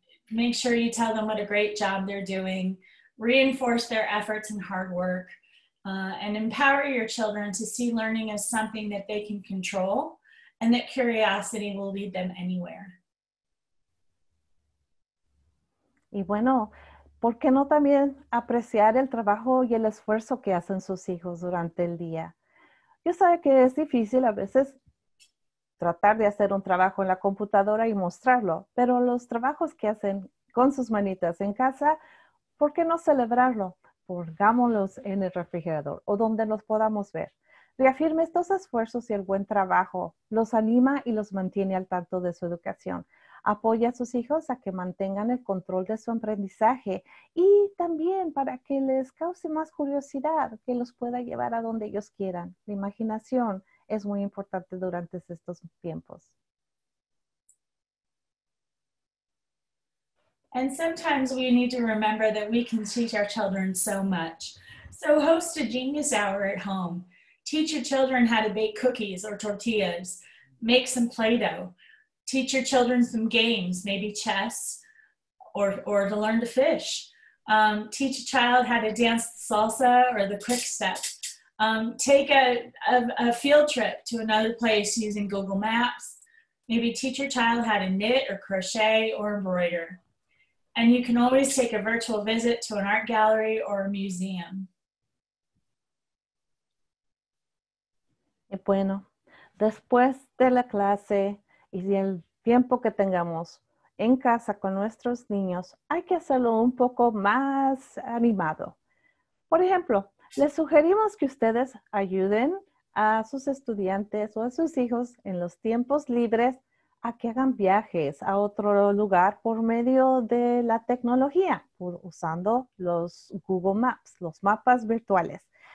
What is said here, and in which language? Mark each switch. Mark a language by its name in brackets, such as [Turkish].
[English] Make sure you tell them what a great job they're doing. Reinforce their efforts and hard work. And empower your children to see learning as something that they can control and that curiosity will lead them anywhere. [Spanish] Y bueno, ¿por qué no también apreciar el trabajo y el esfuerzo que hacen sus hijos durante el día? Yo sé que es difícil a veces tratar de hacer un trabajo en la computadora y mostrarlo, pero los trabajos que hacen con sus manitas en casa, ¿por qué no celebrarlo? Pongámoslos en el refrigerador o donde los podamos ver. Reafirme estos esfuerzos y el buen trabajo. Los anima y los mantiene al tanto de su educación. Apoya a sus hijos a que mantengan el control de su aprendizaje y también para que les cause más curiosidad, que los pueda llevar a donde ellos quieran. La imaginación es muy importante durante estos tiempos. [English] And sometimes we need to remember that we can teach our children so much. So host a genius hour at home. Teach your children how to bake cookies or tortillas. Make some Play-Doh. Teach your children some games, maybe chess, or to learn to fish. Teach a child how to dance the salsa or the quick step. Take a field trip to another place using Google Maps. Maybe teach your child how to knit or crochet or embroider. And you can always take a virtual visit to an art gallery or a museum. [Spanish] Y bueno, después de la clase y el tiempo que tengamos en casa con nuestros niños, hay que hacerlo un poco más animado. Por ejemplo, les sugerimos que ustedes ayuden a sus estudiantes o a sus hijos en los tiempos libres a que hagan viajes a otro lugar por medio de la tecnología, usando los Google Maps, los mapas virtuales.